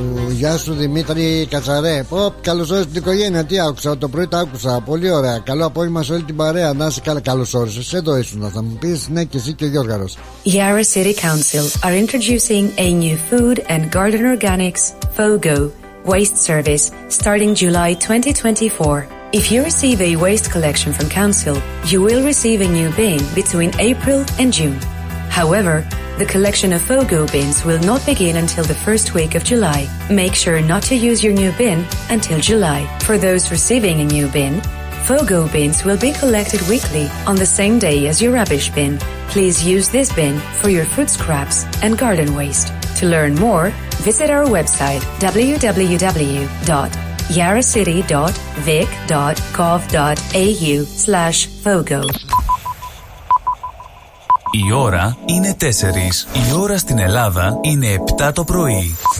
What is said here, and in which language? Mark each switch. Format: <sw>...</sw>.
<el>Γεια σου Δημήτρη Κατσαρέ. Καλώς όρισες την οικογένεια. Τι άκουσα το πρωί, τα άκουσα. Πολύ ωραία. Καλό απόγευμα σε όλη την παρέα. Να είσαι καλά. Καλώς όρισες. Εδώ ήσουν. Θα μου πεις ναι και εσύ και ο Γιώργαρος.</el> <en>Η Yarra City Council are introducing a new food and garden organics FOGO waste service starting July 2024. If you receive a waste collection from council, you will receive a new bin between April and June. However, the collection of FOGO bins will not begin until the first week of July. Make sure not to use your new bin until July. For those receiving a new bin, FOGO bins will be collected weekly on the same day as your rubbish bin. Please use this bin for your food scraps and garden waste. To learn more, visit our website www.yarracity.vic.gov.au/FOGO.</en> <el>Η ώρα είναι 4. Η ώρα στην Ελλάδα είναι 7 το πρωί.</el>